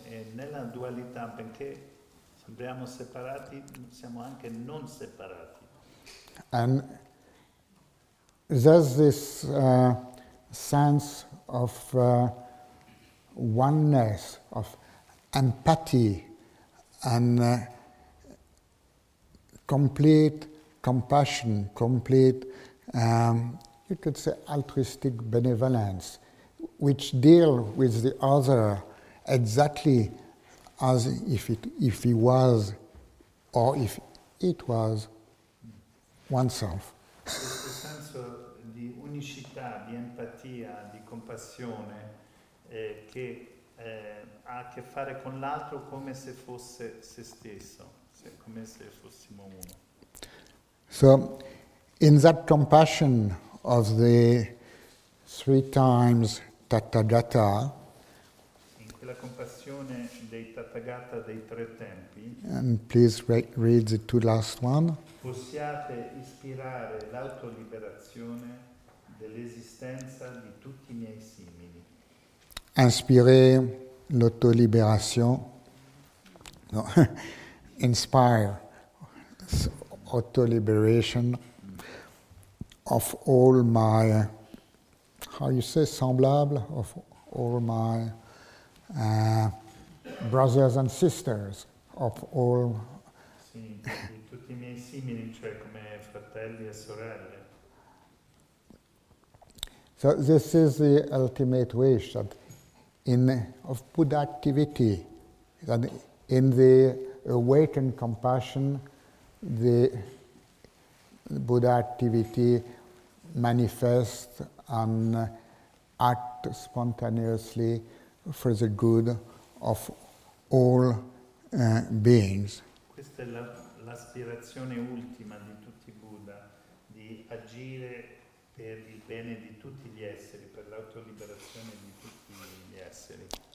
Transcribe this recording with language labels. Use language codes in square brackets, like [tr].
[it] E nella dualità, benché sembriamo separati, siamo anche non separati. [en] And there's this sense of oneness, of empathy, and complete compassion, complete, you could say, altruistic benevolence, which deal with the other exactly as if he was, or if it was, oneself. [it] Questo senso di unicità, di empatia, di compassione che ha a che fare con l'altro come se fosse se stesso, come se fossimo uno. [en] So, in that compassion of the three times Tathagata, [it] e la compassione dei Tathagata dei tre tempi. [en] And please read the two last one. [it] Possiate ispirare l'autoliberazione dell'esistenza di tutti i miei simili. [fr] Inspirer l'autolibération. No. [en] Inspire autoliberation of all my, how you say, semblable, of all my brothers and sisters, of all. [it] Sì, di tutti i miei simili, cioè come fratelli e sorelle. [en] So this is the ultimate wish that in of Buddha activity, that in the awakened compassion, the Buddha activity manifest and act spontaneously for the good of all beings. [it] Questa è l'aspirazione ultima di tutti i Buddha, di agire per il bene di tutti gli esseri, per l'autoliberazione di tutti gli esseri.